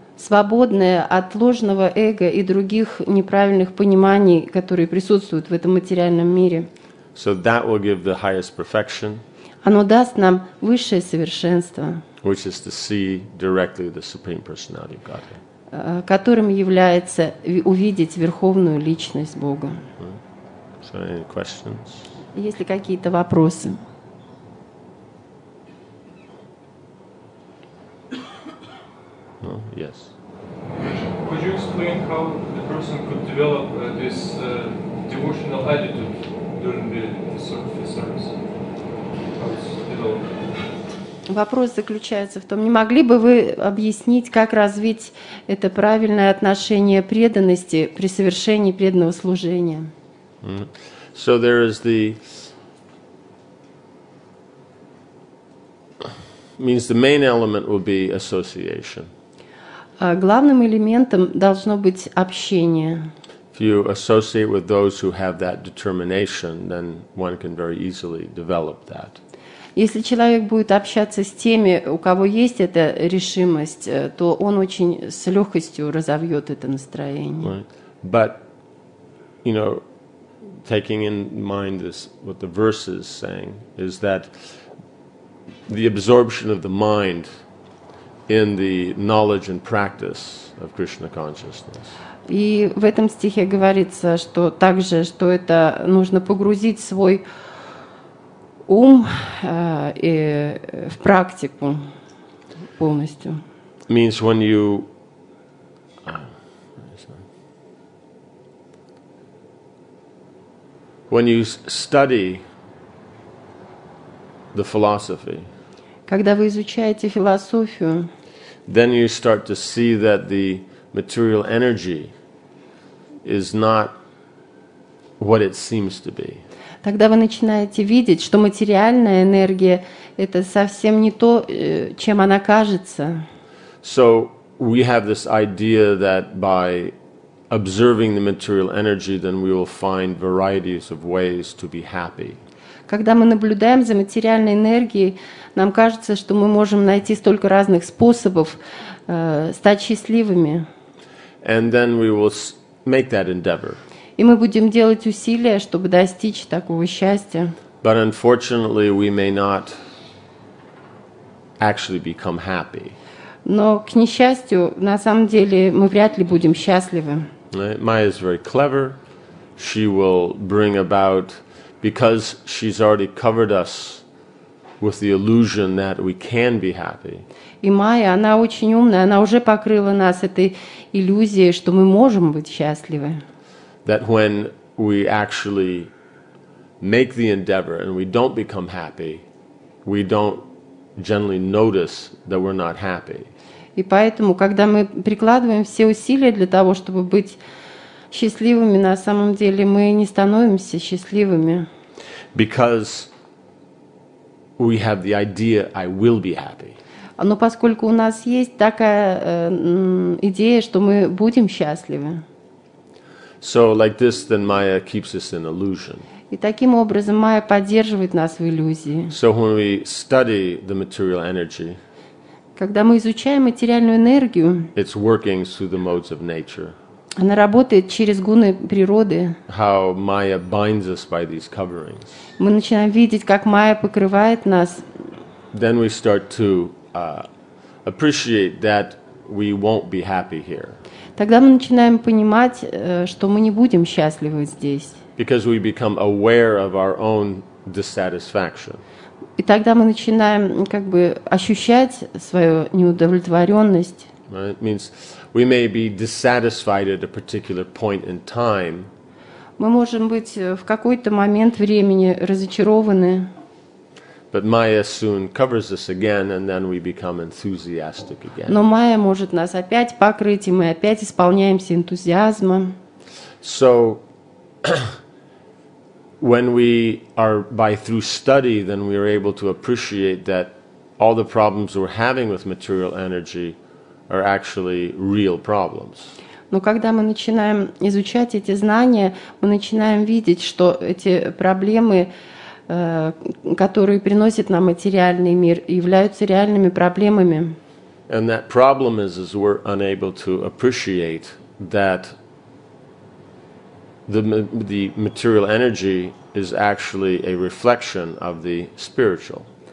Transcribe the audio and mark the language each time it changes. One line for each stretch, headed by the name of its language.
Russian: Свободное от ложного эго и других неправильных пониманий, которые присутствуют в этом материальном мире.
English: So that will give the highest perfection.
Russian: Оно даст нам высшее совершенство.
English: Which is to see directly the Supreme Personality of Godhead.
Russian: Которым является увидеть Верховную Личность Бога.
English: So any questions?
Russian: Есть ли какие-то вопросы?
English: No? Yes. Could you explain how the person could develop this devotional attitude during the service? How it's developed?
Russian: Вопрос заключается в том, не могли бы вы объяснить, как развить это правильное отношение преданности при совершении преданного служения?
English: So there is the means the main element will be association.
Russian: Главным элементом должно быть общение.
English: If you associate with those who have that determination, then one can very easily develop that.
Russian: Если человек будет общаться с теми, у кого есть эта решимость, то он очень с легкостью разовьет это настроение.
English: But, you know, taking in mind this, what the verse is saying, is that the absorption of the mind in the knowledge and practice of Krishna consciousness.
Russian: И в этом стихе говорится, что также, что это нужно погрузить свой ум в практику полностью.
English: Means when you study the philosophy.
Russian: Когда вы изучаете философию,
English: then you start to see that the material energy is not what it seems to be.
Russian: Тогда вы начинаете видеть, что материальная энергия — это совсем не то, чем она кажется.
English: So we have this idea that by observing the material energy, then we will find varieties of ways to be happy.
Russian: Когда мы наблюдаем за материальной энергией, нам кажется, что мы можем найти столько разных способов стать счастливыми.
English: And then we will make that endeavor.
Russian: И мы будем делать усилия, чтобы достичь такого счастья.
English: But unfortunately, we may not actually become happy.
Russian: Но, к несчастью, на самом деле, мы вряд ли будем счастливы.
English: Maya is very clever. She will bring about, because she's already covered us with the illusion that we can be happy.
Russian: И Майя, она очень умная, она уже покрыла нас этой иллюзией, что мы можем быть счастливы.
English: That when we actually make the endeavor and we don't become happy, we don't generally notice that we're not happy.
Russian: И поэтому, когда мы прикладываем все усилия для того, чтобы быть счастливыми, на самом деле мы не становимся счастливыми.
English: Because we have the idea, I will be happy.
Russian: Но поскольку у нас есть такая идея, что мы будем счастливы.
English: So like this, then Maya keeps us in illusion.
Russian: И таким образом Майя поддерживает нас в иллюзии.
English: So when we study the material energy,
Russian: когда мы изучаем материальную энергию,
English: it's working through the modes of nature.
Russian: Она работает через гуны природы.
English: How Maya binds us by these coverings.
Russian: Мы начинаем видеть, как Майя покрывает нас.
English: Then we start to appreciate that we won't be happy here.
Russian: Тогда мы начинаем понимать, что мы не будем счастливы здесь.
English: Because we become aware of our own dissatisfaction.
Russian: И тогда мы начинаем как бы ощущать свою неудовлетворенность.
English: Right? Means we may be dissatisfied at a particular point in time.
Russian: Мы можем быть в какой-то момент времени разочарованы.
English: But Maya soon covers us again, and then we become enthusiastic again.
Russian: Но Майя может нас опять покрыть, и мы опять исполняемся энтузиазма.
English: So when we are by through study, then we are able to appreciate that all the problems we're having with material energy are actually real problems.
Russian: Но когда мы начинаем изучать эти знания, мы начинаем видеть, что эти проблемы, которые приносит нам материальный мир, являются реальными проблемами.
English: And that problem is, we're unable to appreciate that the material energy is actually a reflection of the spiritual.